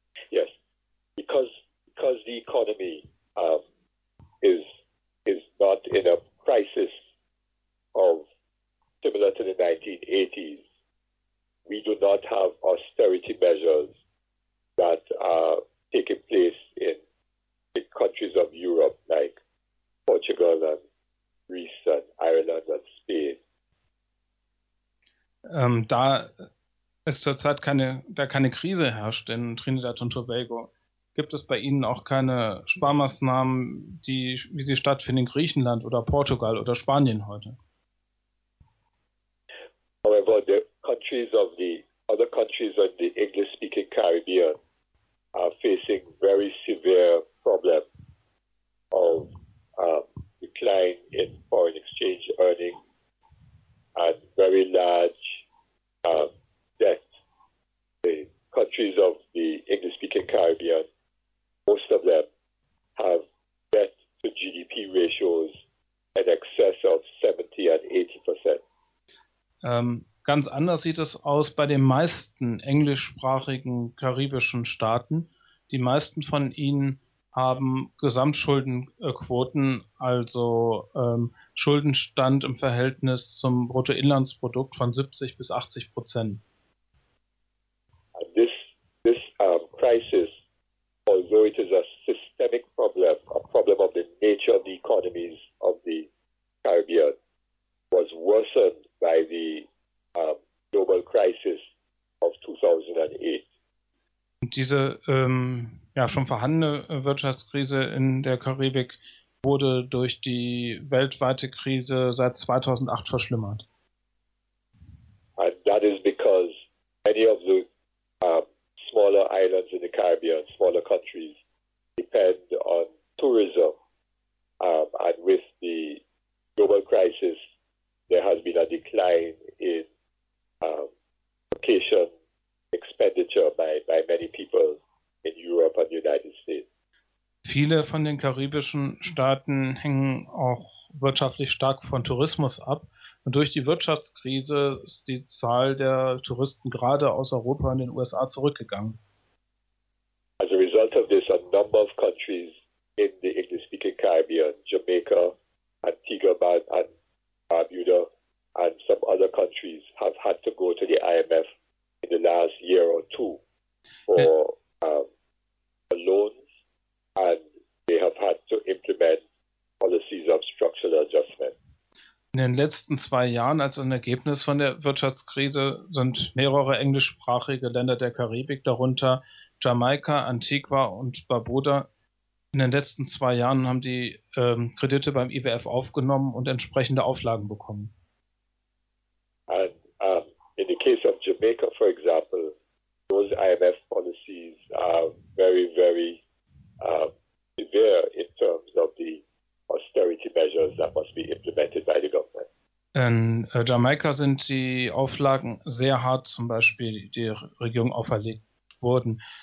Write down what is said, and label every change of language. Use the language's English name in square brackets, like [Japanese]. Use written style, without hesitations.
[English] Yes, because the economy is not in a crisis of similar to the 1980s, we do not have austerity measures that are taking place in the countries of Europe like Portugal and Greece and Ireland and Spain. [German] Da es zurzeit keine Krise herrscht in Trinidad und Tobago, gibt es bei Ihnen auch keine Sparmaßnahmen, die wie sie stattfinden in Griechenland oder Portugal oder Spanien heute? [English] However, the countries of the other countries of the English-speaking Caribbean are facing very severe problem of decline in foreign exchange earning and very large debt. The countries of the English-speaking Caribbean, most of them have debt to GDP ratios in excess of 70% and 80%. [German] Ganz anders sieht es aus bei den meisten englischsprachigen karibischen Staaten. Die meisten von ihnen haben Gesamtschuldenquoten, also Schuldenstand im Verhältnis zum Bruttoinlandsprodukt von 70% bis 80%. [English] This crisis, although it is a systemic problem, a problem of the nature of the economies of the Caribbean, was worsened by the global crisis of 2008. [German] Diese schon vorhandene Wirtschaftskrise in der Karibik wurde durch die weltweite Krise seit 2008 verschlimmert. [English] And that is because many of the smaller islands in the Caribbean, smaller countries, depend on tourism. And with the global crisis, there has been a decline in vacation expenditure by many people in Europe and the United States. [German] Viele von den karibischen Staaten hängen auch wirtschaftlich stark von Tourismus ab. Und durch die Wirtschaftskrise ist die Zahl der Touristen gerade aus Europa in den USA zurückgegangen. [English] As a result of this, a number of countries in the English-speaking Caribbean, Jamaica, Antigua and Barbuda, and some other countries have had to go to the IMF in the last year or two for loans, and they have had to implement policies of structural adjustment. [German] In den letzten zwei Jahren als ein Ergebnis von der Wirtschaftskrise sind mehrere englischsprachige Länder der Karibik, darunter Jamaika, Antigua und Barbuda, in den letzten zwei Jahren haben die Kredite beim IWF aufgenommen und entsprechende Auflagen bekommen. [English] And in the case of Jamaica, for example, those IMF policies are very, very severe in terms of the austerity measures that must be implemented by the government. [German] In Jamaika sind die Auflagen sehr hart, zum Beispiel die Regierung auferlegt wurden.